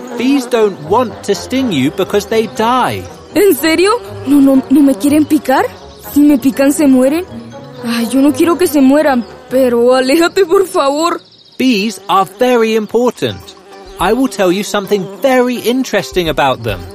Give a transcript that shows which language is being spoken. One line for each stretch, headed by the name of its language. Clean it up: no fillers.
English: Bees don't want to sting you because they die.
Spanish: ¿En serio? ¿No me quieren picar? ¿Si me pican, se mueren? Ay, yo no quiero que se mueran, pero aléjate, por favor.
English: Bees are very important. I will tell you something very interesting about them.